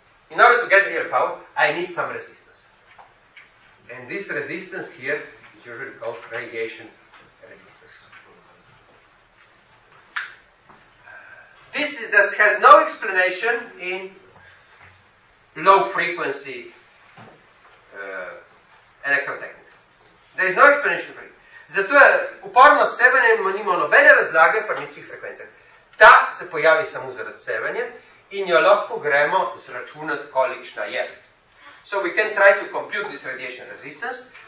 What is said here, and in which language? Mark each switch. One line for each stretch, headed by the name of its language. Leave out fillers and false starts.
English: In order to get real power, I need some resistance. And this resistance here is usually called radiation resistance. This has no explanation in low frequency electrotechnics. There is no explanation for it.
Slovenian: Zato je upornost sevanja nima nobene razlage pri nizkih frekvencah. Ta se pojavi samo zaradi sevanja in jo lahko gremo zračunati, kolikšna je.
English: So we can try to compute this radiation resistance.